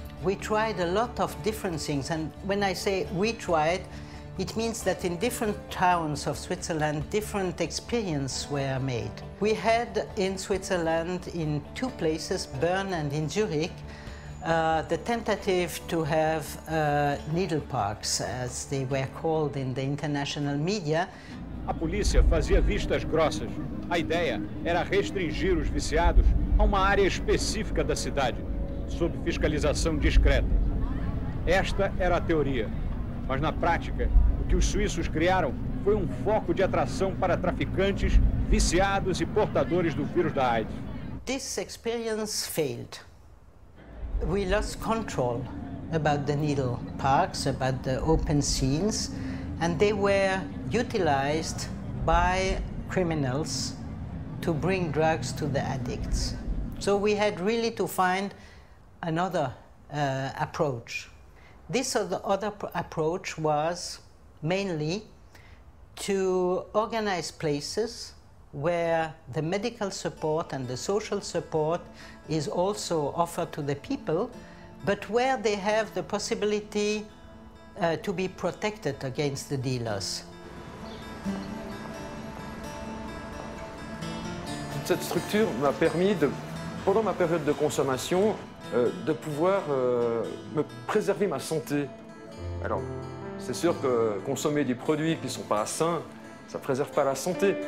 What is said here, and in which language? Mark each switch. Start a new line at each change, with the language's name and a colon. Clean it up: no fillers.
English: We tried a lot of different things, and when I say we tried, it means that in different towns of Switzerland, different experiences were made. We had in Switzerland, in two places, Bern and in Zurich, the tentative to have needle parks, as they were called in the international media.
Portuguese: A polícia fazia vistas grossas. A ideia era restringir os viciados a uma área específica da cidade, sob fiscalização discreta. Esta era a teoria. Mas na prática, o que os suíços criaram foi um foco de atração para traficantes, viciados e portadores do vírus da AIDS.
English: This experience failed. We lost control about the needle parks, about the open scenes, and they were utilized by criminals to bring drugs to the addicts. So we had really to find another approach. This other approach was mainly to organize places where the medical support and the social support is also offered to the people, but where they have the possibility to be protected against the dealers.
French: Toute cette structure m'a permis, de, pendant ma période de consommation, de pouvoir me préserver ma santé. Alors, c'est sûr que consommer des produits qui ne sont pas sains, ça ne préserve pas la santé.